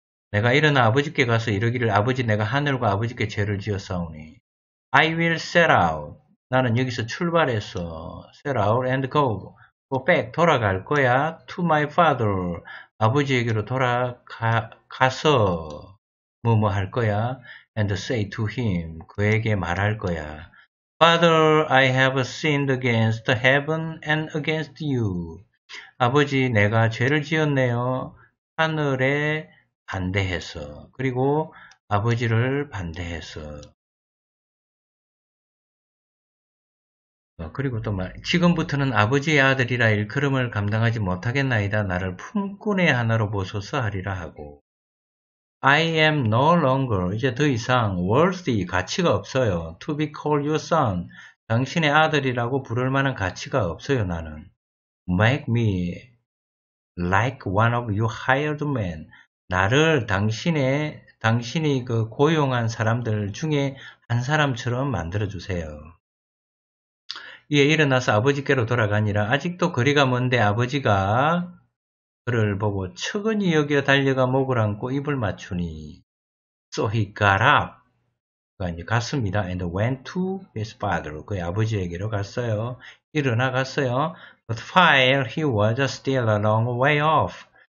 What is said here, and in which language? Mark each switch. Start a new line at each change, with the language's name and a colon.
Korean: 내가 일어나 아버지께 가서 이러기를 아버지 내가 하늘과 아버지께 죄를 지었사오니.
English: I will set out.
Korean: 나는 여기서 출발해서
English: set out and go. Go back.
Korean: 돌아갈 거야.
English: To my father.
Korean: 아버지에게로 돌아가서 뭐뭐 할 거야.
English: And say to him.
Korean: 그에게 말할 거야.
English: Father, I have sinned against heaven and against you.
Korean: 아버지, 내가 죄를 지었네요. 하늘에 반대해서. 그리고 아버지를 반대해서. 그리고 또 말, 지금부터는 아버지의 아들이라 일컬음을 감당하지 못하겠나이다. 나를 품꾼의 하나로 보소서 하리라 하고.
English: I am no longer,
Korean: 이제 더 이상
English: worthy,
Korean: 가치가 없어요.
English: To be called your son,
Korean: 당신의 아들이라고 부를 만한 가치가 없어요, 나는.
English: Make me like one of your hired men.
Korean: 나를 당신이 그 고용한 사람들 중에 한 사람처럼 만들어주세요. 이에 일어나서 아버지께로 돌아가니라. 아직도 거리가 먼데 아버지가 그를 보고 측은히 여겨 달려가 목을 안고 입을 맞추니
English: So he got up.
Korean: 그가 이제 갔습니다.
English: And went to his father.
Korean: 그의 아버지에게로 갔어요. 일어나 갔어요.
English: But while he was still a long way off.